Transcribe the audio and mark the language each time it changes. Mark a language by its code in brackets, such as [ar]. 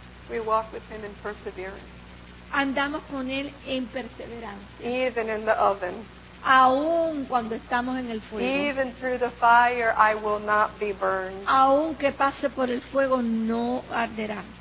[en] We walk with him in perseverance. [es] Andamos con él en perseverancia. [en] Even in the oven. [es] Aún cuando estamos en el fuego. [en] Even through the fire, I will not be burned. [es] Aún que pase por el fuego, no arderá.